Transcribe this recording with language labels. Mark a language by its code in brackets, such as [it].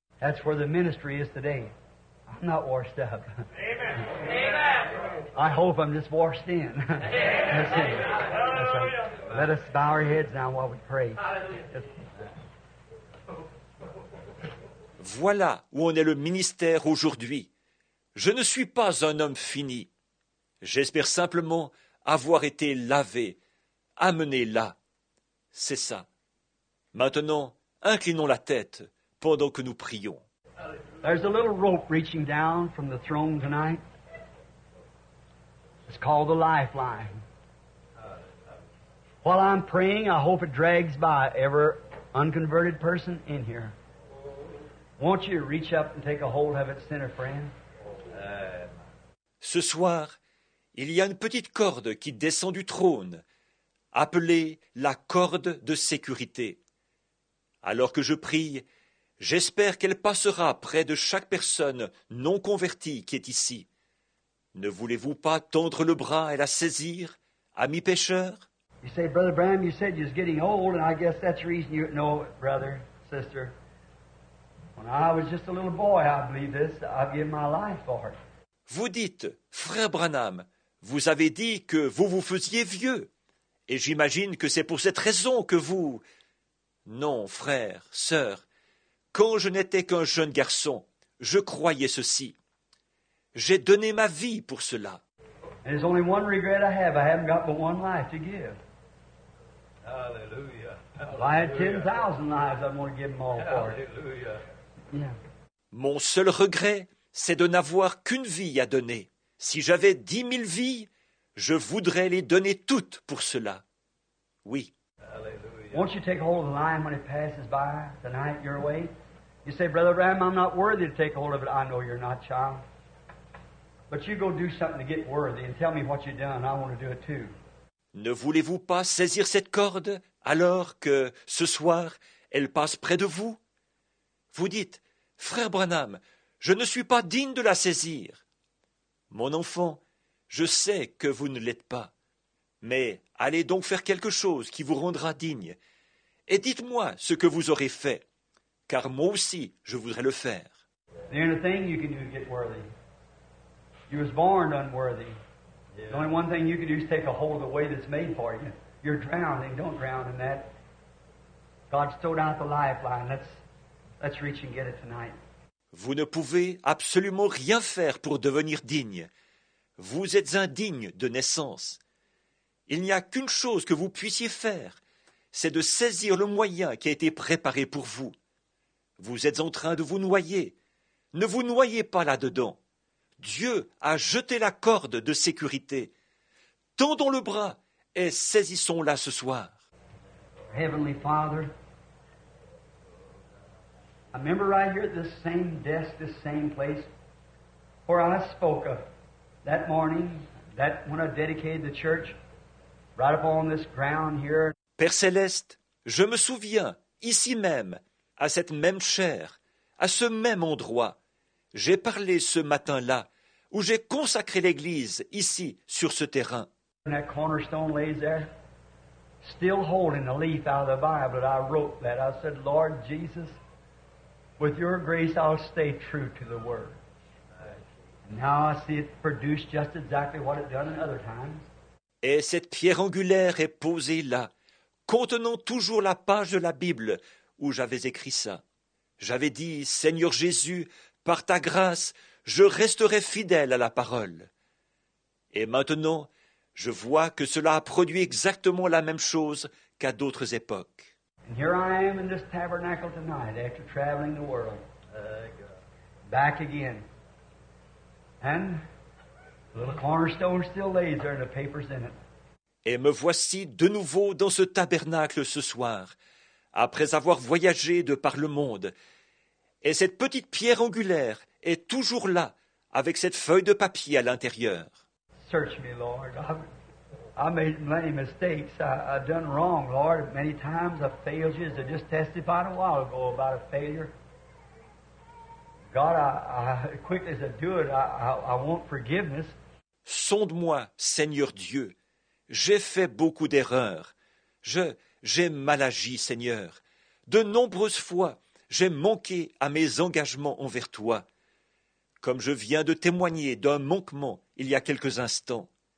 [en] That's where the ministry is today. I'm not washed up. Amen. I hope I'm just washed in. That's it. Let us bow our heads now while we pray. [fr] Voilà où en est le ministère aujourd'hui. Je ne suis pas un homme fini. J'espère simplement avoir été lavé, amené là. C'est ça. Maintenant, inclinons la tête pendant que nous prions. [en] There's a little rope reaching down from the throne tonight. It's called the lifeline. While I'm praying, I hope it drags by every unconverted person in here. Won't you reach up and take a hold of it, sinner friend? [fr] Ce soir, il y a une petite corde qui descend du trône, appelée la corde de sécurité. Alors que je prie, j'espère qu'elle passera près de chaque personne non convertie qui est ici. Ne voulez-vous pas tendre le bras et la saisir, ami pécheur? [en] You say, Brother Branham, you said you're getting old, and I guess that's the reason you know, brother, sister. When I was just a little boy, I believe this. I've given my life for it. [fr] Vous dites, Frère Branham, vous avez dit que vous vous faisiez vieux, et j'imagine que c'est pour cette raison que vous. Non, frère, sœur, quand je n'étais qu'un jeune garçon, je croyais ceci. J'ai donné ma vie pour cela. [en] And there's only one regret I have. I haven't got but one life to give. Hallelujah. If I had 10,000 lives, I'm going to give them all for it. Hallelujah. Yeah. [fr] Mon seul regret, c'est de n'avoir qu'une vie à donner. Si j'avais 10,000 vies, je voudrais les donner toutes pour cela. Oui. [en] Hallelujah. Won't you take hold of the line when it passes by tonight your way? You say, Brother Ram, I'm not worthy to take hold of it. I know you're not, child. But you go do something to get worthy and tell me what you've done. I want to do it too. [fr] Ne voulez-vous pas saisir cette corde alors que, ce soir, elle passe près de vous? Vous dites, Frère Branham, je ne suis pas digne de la saisir. Mon enfant, je sais que vous ne l'êtes pas. Mais allez donc faire quelque chose qui vous rendra digne. Et dites-moi ce que vous aurez fait, car moi aussi, je voudrais le faire. [en] The only thing you can do to get worthy. You was born unworthy. The only one thing you can do is take a hold of the way that's made for you. You're drowning. Don't drown in that. God's thrown out the lifeline. Let's reach and get it tonight. [fr] Vous ne pouvez absolument rien faire pour devenir digne. Vous êtes indigne de naissance. Il n'y a qu'une chose que vous puissiez faire, c'est de saisir le moyen qui a été préparé pour vous. Vous êtes en train de vous noyer. Ne vous noyez pas là-dedans. Dieu a jeté la corde de sécurité. Tendons le bras et saisissons-la ce soir. [en] Heavenly Father, I remember right here at this same desk, this same place, where I spoke of that morning, that when I dedicated the church, right up on this ground here. [fr] Père Céleste, je me souviens, ici même, à cette même chaire, à ce même endroit, j'ai parlé ce matin-là, où j'ai consacré l'Église, ici, sur ce terrain. [en] And that cornerstone lays there, still holding the leaf out of the Bible that I wrote that. I said, Lord Jesus, with your grace, I'll stay true to the word. Now I see it produced just exactly what it done in other times. [fr] Et cette pierre angulaire est posée là, contenant toujours la page de la Bible où j'avais écrit ça. J'avais dit, Seigneur Jésus, par ta grâce, je resterai fidèle à la parole. Et maintenant, je vois que cela a produit exactement la même chose qu'à d'autres époques. [en] And here I am in this tabernacle tonight after traveling the world. Back again. And the little cornerstone still lays there and the paper's in it. [fr] Et me voici de nouveau dans ce tabernacle ce soir, après avoir voyagé de par le monde. Et cette petite pierre angulaire est toujours là, avec cette feuille de papier à l'intérieur. [en] Search me, Lord. I made many mistakes. I've done wrong, Lord. Many times I've failed you. I just testified a while ago about a failure. God, I quickly as I do it, I want forgiveness. [fr] Sonde-moi, Seigneur Dieu. J'ai fait beaucoup d'erreurs. J'ai mal agi, Seigneur. De nombreuses fois, j'ai manqué à mes engagements envers toi, comme je viens de témoigner d'un manquement il y a quelques instants.